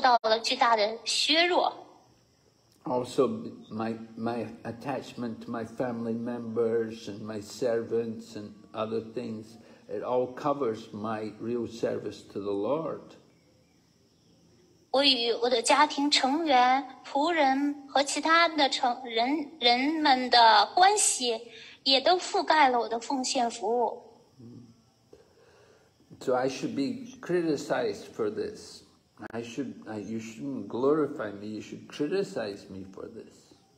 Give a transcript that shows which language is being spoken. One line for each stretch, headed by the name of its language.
Chinese: 普拉德说，你可以看到我对主的崇拜，由于因为要统治这个王国而依恋这种统治权，已经受到了巨大的削弱。
English: Also, my attachment to my family members and my servants and other things, it all covers my real service to the Lord.
Chinese: 我与我的家庭成员、仆人和其他的人们的关系，也都覆盖了我的奉献服务。
English: So I should be criticized for this. You shouldn't glorify me, you should criticize me for this.